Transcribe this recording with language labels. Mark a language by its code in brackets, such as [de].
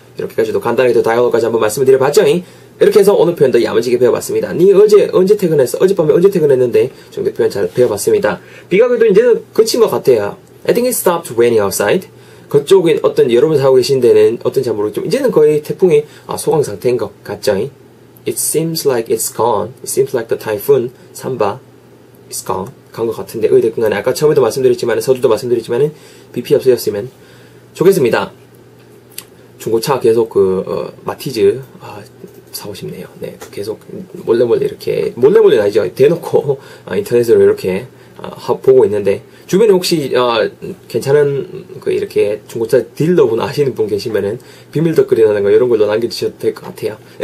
[ko] 이렇게까지도 간단하게 또 다이얼로까지 한번 말씀을 드려봤죠. 이렇게 해서 오늘 표현도 야무지게 배워봤습니다. 니 어제 언제 퇴근했어? 어젯밤에 언제 퇴근했는데? 정도 표현 잘 배워봤습니다. 비가 그래도 이제 그친 것 같아요. [en] I think it stopped raining outside. [ko] 그쪽인 어떤 여러분 사고 계신 데는 어떤지 모르겠지만 이제는 거의 태풍이 소강 상태인 것 같죠. [en] It seems like it's gone. It seems like the typhoon, 삼바, is gone. [ko] 간 것 같은데, 의대군간에 아까 처음에도 말씀드렸지만, 서두도 말씀드렸지만, 비 피해 없으셨으면 좋겠습니다. 중고차 계속 그, 마티즈, 사고 싶네요. 네, 계속 몰래 이렇게, 몰래 아니죠. 대놓고, 인터넷으로 이렇게, 보고 있는데, 주변에 혹시, 괜찮은, 그, 이렇게, 중고차 딜러분 아시는 분 계시면은, 비밀 덧글이라는 거, 이런 걸로 남겨주셔도 될 것 같아요.